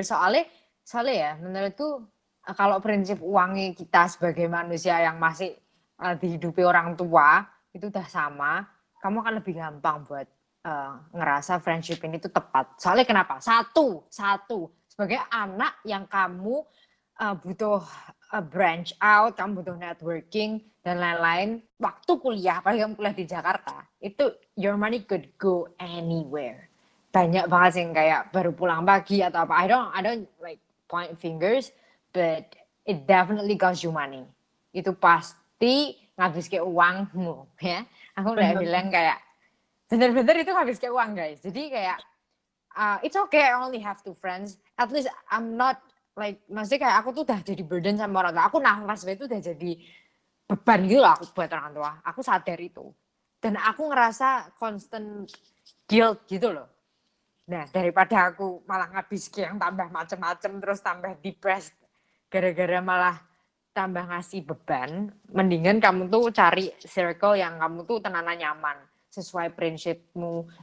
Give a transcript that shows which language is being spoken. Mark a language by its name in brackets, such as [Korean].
[Indonesian] Soalnya ya, menurutku kalau prinsip uangnya kita sebagai manusia yang masih dihidupi orang tua, itu udah sama, kamu akan lebih gampang buat ngerasa friendship ini tuh tepat. Soalnya kenapa? Satu, sebagai anak yang kamu butuh branch out, kamu butuh networking, dan lain-lain, waktu kuliah, apalagi kamu kuliah di Jakarta, itu [English] your money could go anywhere. [Indonesian] Banyak banget sih yang kayak baru pulang pagi atau apa. [English] I don't like point fingers, but it definitely costs you money. [Indonesian] Itu pasti ngabis ke uangmu, ya. Aku udah bilang kayak, bener-bener itu ngabis ke uang, guys. Jadi kayak, [English] it's okay, I only have two friends. At least I'm not, like, [Indonesian] maksudnya kayak aku tuh udah jadi burden sama orang tua. Aku nafas itu udah jadi beban gitu loh aku buat orang tua. Aku sadar itu. Dan aku ngerasa constant guilt gitu loh. Nah, daripada aku malah ngabis ke yang tambah macem-macem, terus tambah depressed, gara-gara malah tambah ngasih beban, mendingan kamu tuh cari circle yang kamu tuh tenanan nyaman, sesuai prinsipmu.